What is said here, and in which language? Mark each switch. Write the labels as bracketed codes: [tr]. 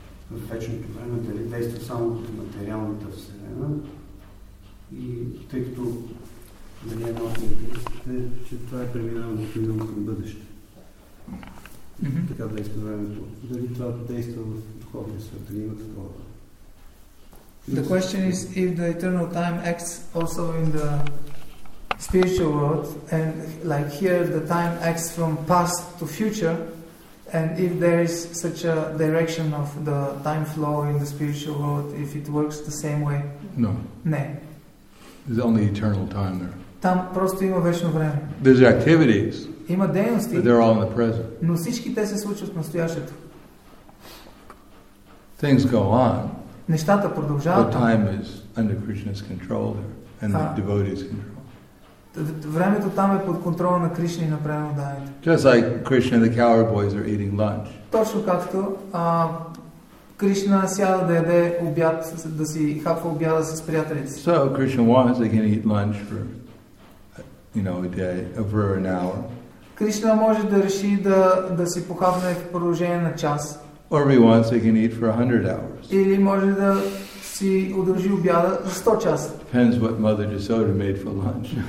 [bg] В вечното време дали действа само от материалната вселена и тъй като дали е много интересите, че това е преминаване от минало към бъдеще. Така действа времето. Дали това действа в духовния свят? Дали има такова? [en] The question is if the eternal time acts also in the spiritual world, and like here the time acts from past to future, and if there is such a direction of the time flow in the spiritual world, if it works the same way? No. [bg] Не. [en] There's only eternal time there. [bg] Там просто има вечно време. [en] There's activities. [bg] Има дейности. [en] But they're all in the present. [bg] Но всички те се случват в настоящето. [en] Things go on. [bg] Нещата продължават. [en] But time is under Krishna's control there, and the devotee's control. [bg] Времето там е под контрола на Кришна и на преданите. [en] Just like Krishna and the cowherd boys are eating lunch. [bg] Точно както Кришна сяда да яде обяд, да си хапва обяда с приятелите си. [en] So Krishna wants they can eat lunch for, you know, a day, over an hour. [bg] Кришна може да реши да си похапне в продължение на час. [en] Or he wants they can eat for 100 hours. [bg] Или може да си удължи обяда за 100 часа. [en] Depends what Mother Jasoda made for lunch.